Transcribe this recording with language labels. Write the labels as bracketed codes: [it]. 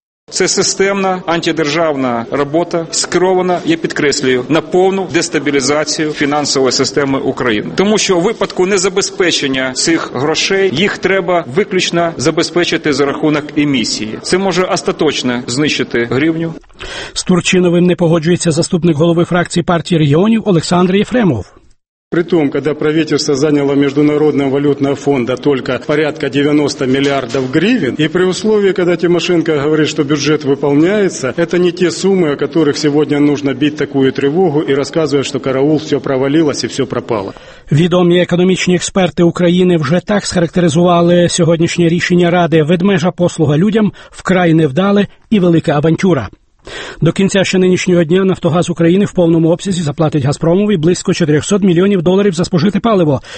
[uk] це системна антидержавна робота, скерована, я підкреслюю, на повну дестабілізацію фінансової системи України. Тому що у випадку незабезпечення цих грошей, їх треба виключно забезпечити за рахунок емісії. Це може остаточно знищити гривню. З Турчиновим не погоджується заступник голови фракції партії регіонів Олександр Єфремов. [ru] При том, когда правительство заняло Международного валютного фонда только порядка 90 миллиардов гривен, и при условии, когда Тимошенко говорит, что бюджет выполняется, это не те суммы, о которых сегодня нужно бить такую тревогу и рассказывать, что караул все провалилось и все пропало. [uk] Відомі економічні експерти України вже так схарактеризували сьогоднішнє рішення Ради: ведмежа послуга людям, вкрай невдале і велика авантюра. До кінця ще нинішнього дня «Нафтогаз України» в повному обсязі заплатить «Газпромові» близько 400 мільйонів доларів за спожите паливо.